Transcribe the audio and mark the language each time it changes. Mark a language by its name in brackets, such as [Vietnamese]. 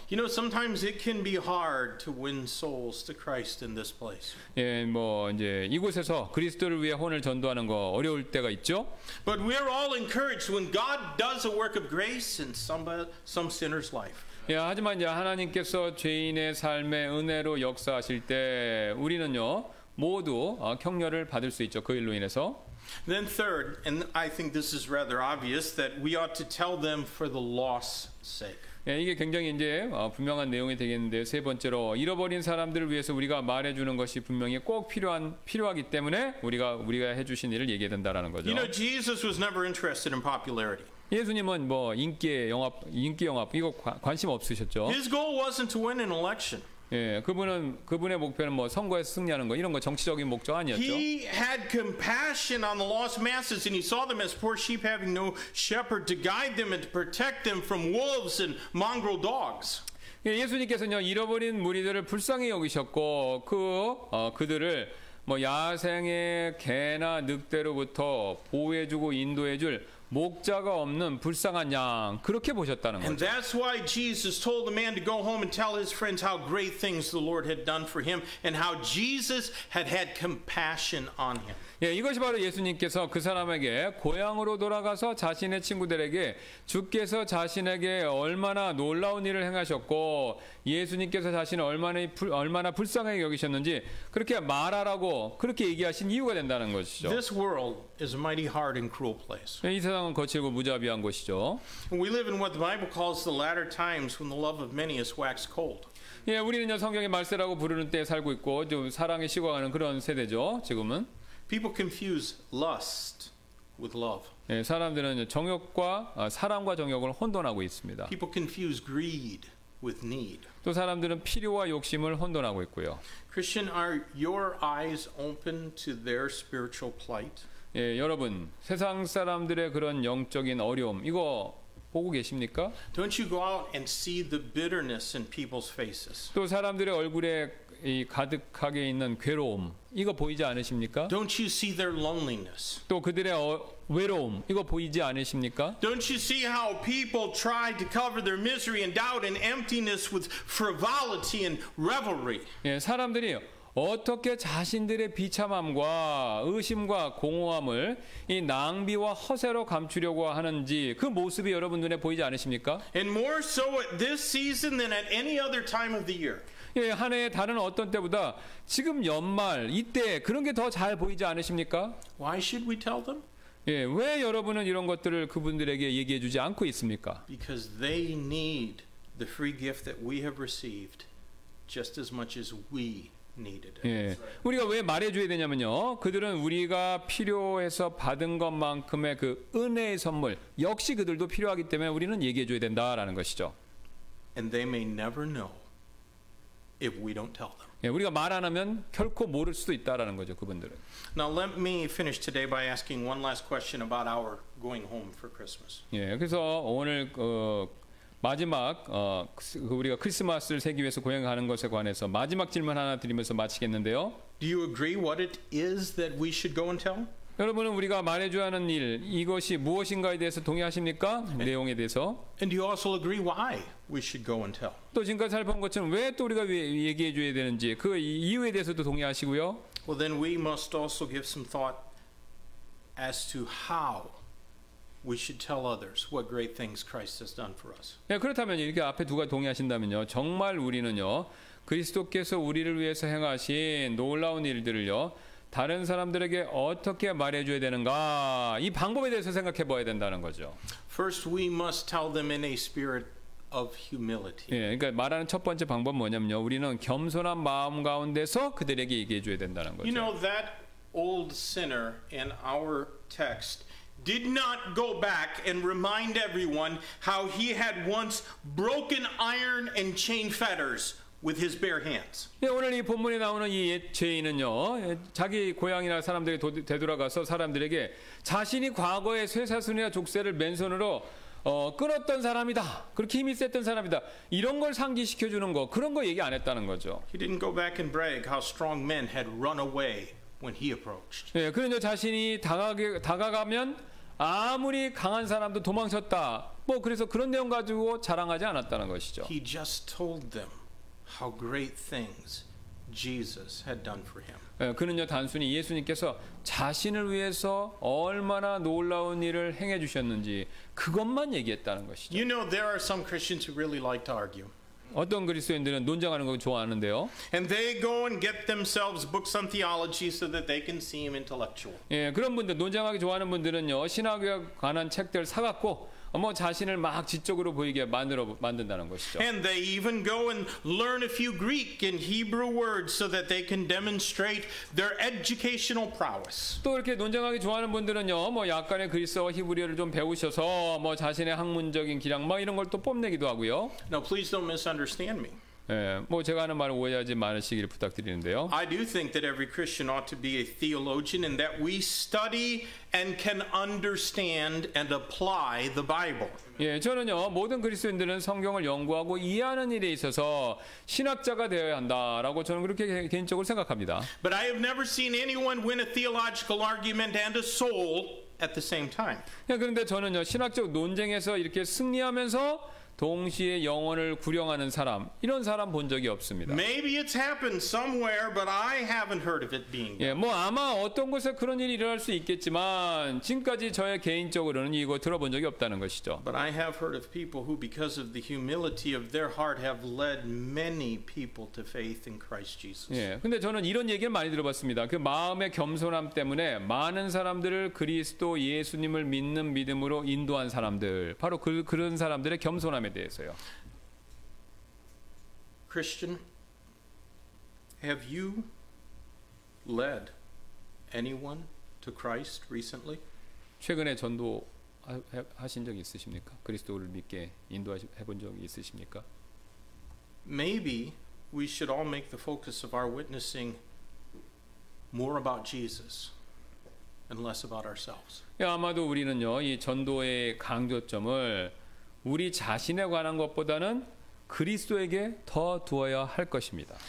[English] You know, sometimes it can be hard to win souls to Christ in this place. [Korean] 예, 뭐 이제 이곳에서 그리스도를 위해 혼을 전도하는 거 어려울 때가 있죠. [English] But we are all encouraged when God does a work of grace in some sinner's life. [Korean] 예, 하지만 이제 하나님께서 죄인의 삶에 은혜로 역사하실 때 우리는요 모두 격려를 받을 수 있죠, 그 일로 인해서. [English] Then third, and I think this is rather obvious, that we ought to tell them for the loss sake. [Korean] 예, 이게 굉장히 이제 분명한 내용이 되겠는데 세 번째로 잃어버린 사람들을 위해서 우리가 말해주는 것이 분명히 꼭 필요하기 때문에 우리가 해주신 일을 얘기해야 된다라는 거죠. [English] You know, Jesus was never interested in popularity. [Korean] 예수님은 뭐 인기 영합 이거 관심 없으셨죠. [English] His goal wasn't to win an election. [Korean] 예, 그분의 목표는 뭐 선거에서 승리하는 거 이런 거 정치적인 목적 아니었죠. [English] He had compassion on the lost masses and he saw them as poor sheep having no shepherd to guide them and to protect them from wolves and mongrel dogs. [Korean] 예, 예수님께서는요 잃어버린 무리들을 불쌍히 여기셨고 그들을 뭐 야생의 개나 늑대로부터 보호해 주고 인도해 줄 목자가 없는 불쌍한 양 그렇게 보셨다는 거죠. [English] And that's why Jesus told the man to go home and tell his friends how great things the Lord had done for him and how Jesus had had compassion on him. [Korean] 예, 이것이 바로 예수님께서 그 사람에게 고향으로 돌아가서 자신의 친구들에게 주께서 자신에게 얼마나 놀라운 일을 행하셨고 예수님께서 자신을 얼마나 불쌍하게 여기셨는지 그렇게 말하라고 그렇게 얘기하신 이유가 된다는 것이죠. [English] This world is a mighty hard and cruel place. [Korean] 예, 이 세상은 거칠고 무자비한 곳이죠. [English] We live in what the Bible calls the latter times when the love of many is waxed cold. [Korean] 예, 우리는요 성경의 말세라고 부르는 때에 살고 있고 좀 사랑이 식어가는 그런 세대죠, 지금은. [English] People confuse lust with love. [Korean] 예, 사람들은 정욕과 사랑과 정욕을 혼돈하고 있습니다. [English] People confuse greed with need. [Korean] 또 사람들은 필요와 욕심을 혼돈하고 있고요. [English] Christian, are your eyes open to their spiritual plight? [Korean] 예, 여러분, 세상 사람들의 그런 영적인 어려움 이거 보고 계십니까? [English] Don't you go out and see the bitterness in people's faces? [Korean] 또 사람들의 얼굴에 이 가득하게 있는 괴로움 이거 보이지 않으십니까? [English] Don't you see their loneliness? [Korean] 또 그들의 외로움 이거 보이지 않으십니까? [English] Don't you see how people try to cover their misery and doubt and emptiness with frivolity and revelry? [Korean] 예, 사람들이 어떻게 자신들의 비참함과 의심과 공허함을 이 낭비와 허세로 감추려고 하는지 그 모습이 여러분 눈에 보이지 않으십니까? [English] And more so at this season than at any other time of the year. [Korean] 예, 한 해의 다른 어떤 때보다 지금 연말 이때 그런 게 더 잘 보이지 않으십니까? [English] Why should we tell them? [Korean] 예, 왜 여러분은 이런 것들을 그분들에게 얘기해 주지 않고 있습니까? [English] Because they need the free gift that we have received just as much as we needed it. [Korean] 예, 우리가 왜 말해 줘야 되냐면요. 그들은 우리가 필요해서 받은 것만큼의 그 은혜의 선물 역시 그들도 필요하기 때문에 우리는 얘기해 줘야 된다라는 것이죠. [English] And they may never know if we don't tell them. [Korean] 예, 우리가 말 안 하면 결코 모를 수도 있다라는 거죠, 그분들은. [English] Now let me finish today by asking one last question about our going home for Christmas. [Korean] 예, 그래서 오늘 마지막 우리가 크리스마스를 새기 위해서 고향 가는 것에 관해서 마지막 질문 하나 드리면서 마치겠는데요. [English] Do you agree what it is that we should go and tell? [Korean] 여러분은 우리가 말해 줘야 하는 일 이것이 무엇인가에 대해서 동의하십니까? 내용에 대해서? [English] And do you also agree why we should go and tell? [Korean] 또 지금까지 살펴본 것처럼 왜 또 우리가 얘기해 줘야 되는지 그 이유에 대해서도 동의하시고요. [English] Well, then we must also give some thought as to how we should tell others what great things Christ has done for us. [Korean] 예, 그렇다면 이렇게 앞에 두가 동의하신다면요. 정말 우리는요. 그리스도께서 우리를 위해서 행하신 놀라운 일들을요. 다른 사람들에게 어떻게 말해줘야 되는가 이 방법에 대해서 생각해봐야 된다는 거죠. [English] First, we must tell them in a spirit of humility. [Korean] 예, 그러니까 말하는 첫 번째 방법 뭐냐면요, 우리는 겸손한 마음 가운데서 그들에게 얘기해줘야 된다는 거죠. [English] You know that old sinner in our text did not go back and remind everyone how he had once broken iron and chain fetters. With his bare hands. [Korean] 예, 오늘 이 본문에 나오는 이 죄인은요, 자기 고향이나 사람들이 되돌아가서 사람들에게 자신이 과거에 쇠사슬이나 족쇄를 맨손으로 끊었던 사람이다. 그렇게 힘이 셌던 사람이다. 이런 걸 상기시켜 주는 거, 그런 거 얘기 안 했다는 거죠. [English] He didn't go back and brag how strong men had run away when he approached. [Korean] 예, 그러니 자신이 다가가면 아무리 강한 사람도 도망쳤다. 뭐 그래서 그런 내용 가지고 자랑하지 않았다는 것이죠. [English] He just told them how great things Jesus had done for him. [Korean] 예, 그는요 단순히 예수님께서 자신을 위해서 얼마나 놀라운 일을 행해 주셨는지 그것만 얘기했다는 것이죠. [English] You know there are some Christians who really like to argue. [Korean] 어떤 그리스도인들은 논쟁하는 걸 좋아하는데요. [English] And they go and get themselves books on theology so that they can seem intellectual. [Korean] 예, 그런 분들 논쟁하기 좋아하는 분들은요 신학에 관한 책들 사갖고 뭐 자신을 막 지적으로 보이게 만든다는 것이죠. [English] And they even go and learn a few Greek and Hebrew words so that they can demonstrate their educational prowess. [Korean] 또 이렇게 논쟁하기 좋아하는 분들은요, 뭐 약간의 그리스어, 히브리어를 좀 배우셔서 뭐 자신의 학문적인 기량 막 이런 걸 또 뽐내기도 하고요. [English] Now please don't misunderstand me. [Korean] 예, 뭐 제가 하는 말을 오해하지 마시기를 부탁드리는데요. [English] I do think that every Christian ought to be a theologian and that we study and can understand and apply the Bible. [Korean] 예, 저는요 모든 그리스도인들은 성경을 연구하고 이해하는 일에 있어서 신학자가 되어야 한다라고 저는 그렇게 개인적으로 생각합니다. [English] But I have never seen anyone win a theological argument and a soul at the same time. [Korean] 예, 그런데 저는요 신학적 논쟁에서 이렇게 승리하면서 동시에 영혼을 구령하는 사람 이런 사람 본 적이 없습니다. [English] Maybe it's happened somewhere, but I haven't heard of it being. [Korean] 예, 뭐 아마 어떤 곳에 그런 일이 일어날 수 있겠지만 지금까지 저의 개인적으로는 이거 들어본 적이 없다는 것이죠. [English] But I have heard of people who, because of the humility of their heart, have led many people to faith in Christ Jesus. [Korean] 예, 근데 저는 이런 얘기를 많이 들어봤습니다. 그 마음의 겸손함 때문에 많은 사람들을 그리스도 예수님을 믿는 믿음으로 인도한 사람들, 바로 그런 사람들의 겸손함. [English] Christian, have you led anyone to Christ recently? [Korean] 최근에 전도 하신 적 있으십니까? 그리스도를 믿게 인도해본 적 있으십니까? [English] Maybe we should all make the focus of our witnessing more about Jesus and less about ourselves. [Korean] 예, 아마도 우리는요 이 전도의 강조점을 우리 자신에 관한 것보다는 그리스도에게 더 두어야 할 것입니다.